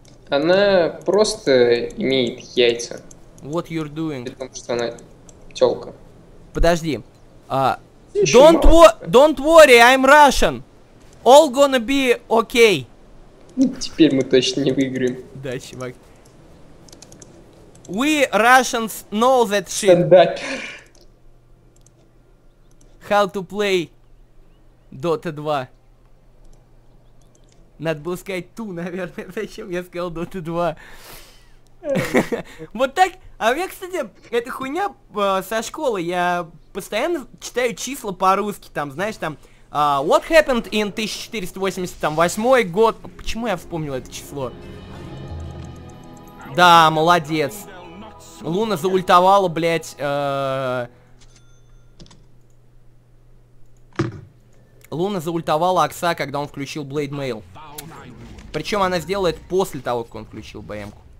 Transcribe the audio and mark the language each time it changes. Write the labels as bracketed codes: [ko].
[ru] Она просто имеет яйца. [en] What you're doing? [ru] Потому что она тёлка. Подожди. [en] Don't worry, I'm Russian. All gonna be okay. [ru] Теперь мы точно не выиграем. Да, чувак. [en] We Russians know that shit. Stand up. How to play Dota 2. [ru] Надо было сказать ту, наверное. Зачем я сказал Dota 2? Вот так. А у меня, кстати, эта хуйня со школы. Я постоянно читаю числа по-русски. Там, знаешь, там... [en] what happened in 1488 [ru] год? Почему я вспомнил это число? Да, молодец. Луна заультовала, блядь. Луна заультовала Окса, когда он включил Blade Mail. Причем она сделала это после того, как он включил БМ-ку.